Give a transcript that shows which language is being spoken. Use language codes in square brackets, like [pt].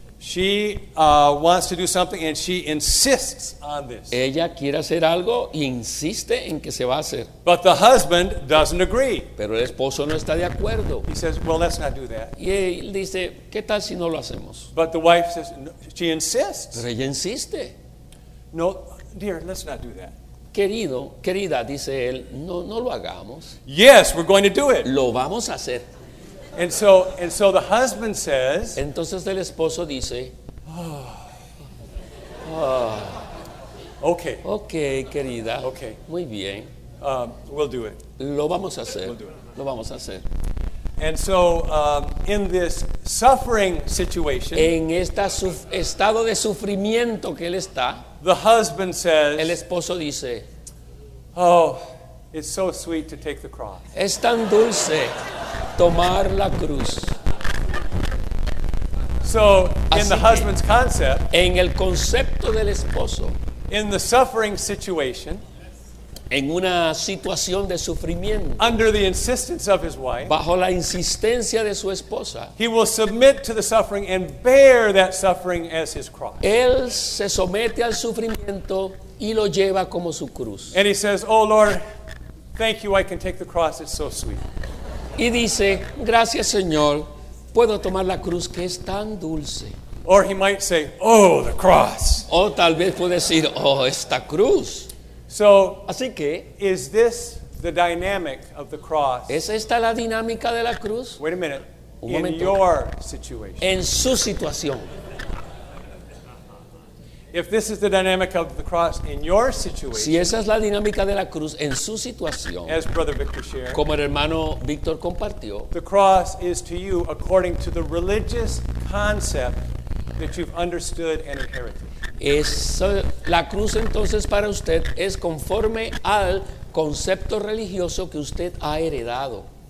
[en] She wants to do something and she insists on this. [es] Ella quiere hacer algo y insiste en que se va a hacer. [en] But the husband doesn't agree. [es] Pero el esposo no está de acuerdo. [en] He says, well, let's not do that. [es] Y él dice, ¿qué tal si no lo hacemos? [en] But the wife says, no, she insists. [es] Pero ella insiste. [en] No, dear, let's not do that. [es] Querido, querida, dice él, no, no lo hagamos. [en] Yes, we're going to do it. [es] Lo vamos a hacer. [en] And so the husband says, [es] entonces el esposo dice, [en] okay. [es] Okay, querida. [en] Okay. [es] Muy bien. [en] We'll do it. [es] Lo vamos a hacer. [en] We'll do it. [es] Lo vamos a hacer. [en] And so in this suffering situation, [es] en este estado de sufrimiento que él está, [en] the husband says, [es] el esposo dice, [en] oh, It's so sweet to take the cross. [es] Es tan dulce tomar la cruz. [en] So, in the husband's concept, [es] en el concepto del esposo, [en] in the suffering situation, [es] en una situación de sufrimiento, [en] under the insistence of his wife, [es] bajo la insistencia de su esposa, [en] he will submit to the suffering and bear that suffering as his cross. [es] Él se somete al sufrimiento y lo lleva como su cruz. [en] And he says, "Oh Lord, thank you, I can take the cross, it's so sweet." [es] Y dice, "Gracias, Señor, puedo tomar la cruz que es tan dulce." [en] Or he might say, "Oh, the cross." [es] O tal vez puede decir, "Oh, esta cruz." [en] So, [es] así que, [en] is this the dynamic of the cross? [es] ¿Es esta la dinámica de la cruz? [en] Wait a minute. [es] Un momento. [en] In your situation. [es] En su situación. [en] If this is the dynamic of the cross in your situation, [es] si esa es la dinámica de la cruz en su situación, [en] as Brother Victor shared, [es] como el hermano Victor compartió, [en] the cross is to you according to the religious concept that you've understood and inherited. [es] Eso, la cruz entonces para usted es conforme al concepto religioso que usted ha heredado.